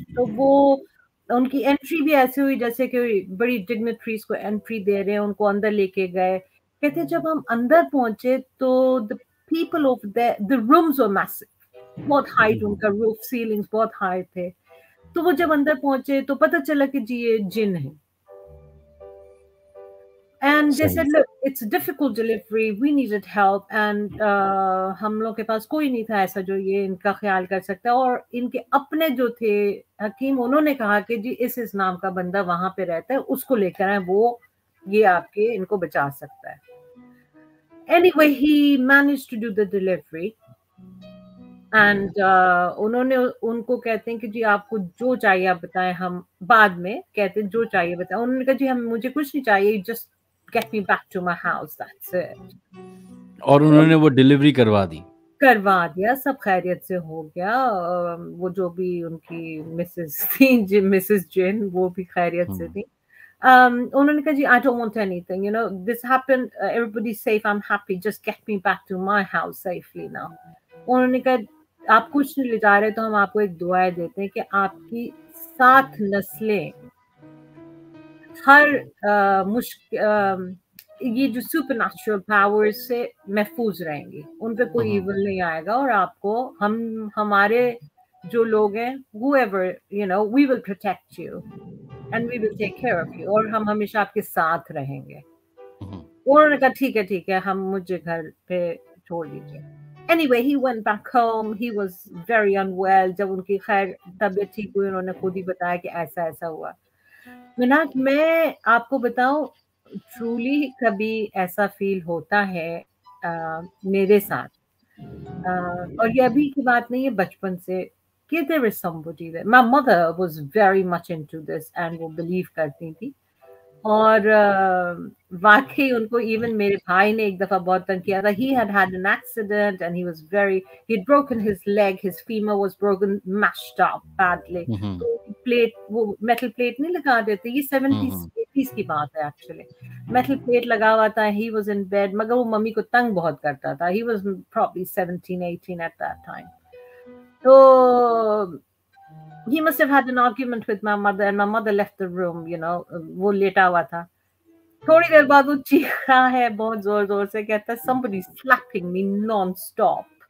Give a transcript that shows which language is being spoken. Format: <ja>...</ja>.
<hi>तो वो उनकी एंट्री भी ऐसी हुई जैसे कि बड़ी डिग्निटरीज को एंट्री दे रहे हैं, उनको अंदर लेके गए। कहते जब हम अंदर पहुंचे तो the people of the rooms were massive, बहुत हाई रूम का रूफ सीलिंग्स बहुत हाई थे। तो वो जब अंदर पहुंचे तो पता चला कि जी ये जिन है।</hi> <en>And they said, look, it's a difficult delivery. We needed help.</en> <hi>And हम लोग के पास कोई नहीं था ऐसा जो ये इनका ख्याल कर सकता। और इनके अपने जो थे हकीम, उन्होंने कहा कि जी इस नाम का बंदा वहां पे रहता है, उसको लेकर आए, वो ये आपके इनको बचा सकता है।</hi> <en>Anyway, he managed to do the delivery.</en> <hi>And उन्होंने उनको कहते हैं कि जी आपको जो चाहिए आप बताएं, हम बाद में कहते हैं जो चाहिए बताएं। उन्होंने कहा जी हम मुझे कुछ नहीं चाहिए, just get me back to my house, that's it. और उन्होंने वो डिलीवरी करवा दी, करवा दिया, सब खैरियत से हो गया। वो जो भी उनकी मिसेस थी, मिसेस जेन, वो भी खैरियत से थी।</hi> <en>उन्होंने कहा जी I don't want anything, you know, this happened, everybody's safe, I'm happy, just get me back to my house safely now.</en> <hi>उन्होंने कहा आप कुछ नहीं ले जा रहे तो हम आपको एक दुआ देते हैं कि आपकी सात नस्लें हर मुश्किल, ये जो सुपरनैचुरल पावर्स से महफूज रहेंगी, उन पे कोई इविल नहीं आएगा, और आपको हम हमारे जो लोग हैं whoever you know we will protect you and we will take care of you, और हम हमेशा आपके साथ रहेंगे। उन्होंने कहा ठीक है हम मुझे घर पे छोड़ दीजिए।</hi> <en>Anyway, he went back home. He was very unwell.</en> <hi>जब उनकी खैर तबीयत ठीक हुई, उन्होंने खुद ही बताया कि ऐसा ऐसा हुआ। मीनाक, मैं आपको बताऊं, truly कभी ऐसा फील होता है मेरे साथ, और ये अभी की बात नहीं है, बचपन से, कि there is somebody there.</hi> <en>My mother was very much into this and वो believe करती थी।</en> <hi>और वाकई उनको, इवन मेरे भाई ने एक दफा बहुत तंग किया था।</hi> <en>He had had an accident and he had broken his leg, his femur was broken, mashed up badly.</en> <hi>Plate, वो मेटल प्लेट नहीं लगा देते, ये 70s की बात है एक्चुअली। मेटल प्लेट लगा हुआ था, he was in bed, मगर वो मम्मी को तंग बहुत करता था। He was probably 17-18 at that time.</hi> <en>तो He must have had an argument with my mother and my mother left the room, you know, वो लेटा हुआ था।</en> <hi>थोड़ी देर बाद वो चीखा है बहुत जोर-जोर से, कहता है somebody is slapping me non-stop.</hi>